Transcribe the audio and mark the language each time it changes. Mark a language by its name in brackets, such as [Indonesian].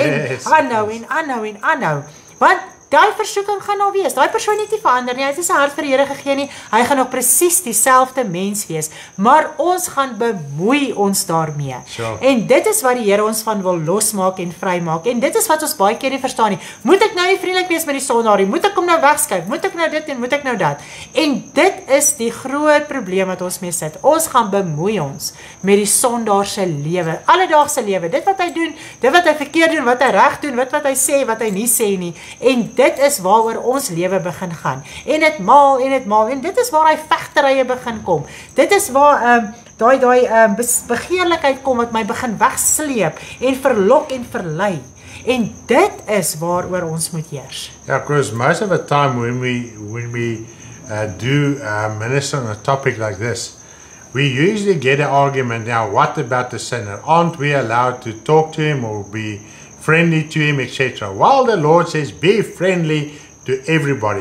[Afrikaans] en aanhou en aanhou en aanhou. Want daai versoeking gaan nou wees. Daai persoon het nie verander nie. Hy het nie sy hart vir die Here gegee nie. Hy gaan nog presies dieselfde mens wees. Maar ons gaan bemoei ons daarmee. [English] Sure. [Afrikaans] En dit is wat die Here ons van wil losmaak en vrymaak. En dit is wat ons baie keer nie verstaan nie. Moet ek nou nie vriendelik wees met die sondaar nie? Moet ek hom nou wegskuif? Moet ek nou dit en moet ek nou dat? En dit is die groot probleem wat ons mee sit. Ons gaan bemoei ons met die sondaar se lewe, alledaagse lewe. Dit wat hy doen, dit wat hy verkeerd doen, wat hy reg doen, wat hy sê, wat hy nie sê nie. En dit is waaroor ons lewe begin gaan. En het maal en het maal. En dit is waar hy vegterye begin kom. Dit is waar begeerlikheid kom wat my begin wegsleep en verlok en verlei. En dit is waaroor ons moet heers. [English] Ja, Chris, most of the time when we do minister on a topic like this, we usually get an argument now, what about the sinner? Aren't we allowed to talk to him or be friendly to him, etc. While the Lord says, be friendly to everybody.